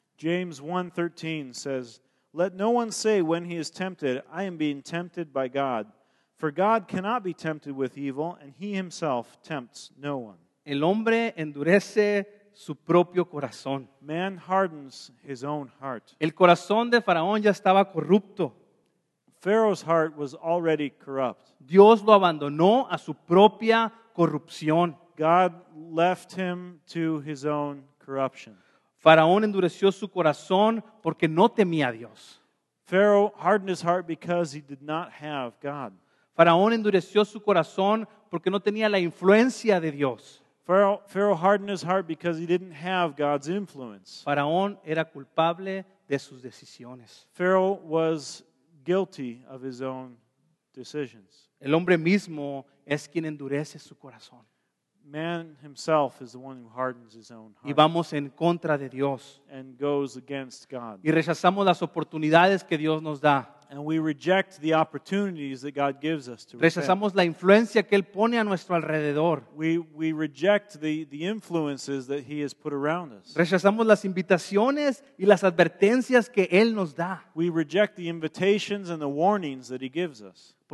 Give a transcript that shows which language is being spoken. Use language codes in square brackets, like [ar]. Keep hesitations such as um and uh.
[en] James 1:13 says, "Let no one say when he is tempted, I am being tempted by God, for God cannot be tempted with evil, and he himself tempts no one." [es] El hombre endurece su propio corazón. [en] Man hardens his own heart. [es] El corazón de Faraón ya estaba corrupto. [en] Heart was already corrupt. [es] Dios lo abandonó a su propia corrupción. [en] God left him to his own corruption. [es] Faraón endureció su corazón porque no temía a Dios. [en] Hardened his heart because he did not have God. [es] Faraón endureció su corazón porque no tenía la influencia de Dios. [en] Pharaoh, Pharaoh, hardened his heart because he didn't have God's influence. [es] Faraón era culpable de sus decisiones. [en] Pharaoh was guilty of his own decisions. [es] El hombre mismo es quien endurece su corazón. [en] Man is the one who his own heart [es] y vamos en contra de Dios. [en] And goes against God. [es] Y rechazamos las oportunidades que Dios nos da. [en] and we reject the opportunities that God gives us to [es] Rechazamos [en] repent. [es] la influencia que él pone a nuestro alrededor. [en] We, we reject the, the influences that he has put around us. We reject the invitations and the warnings that he gives us.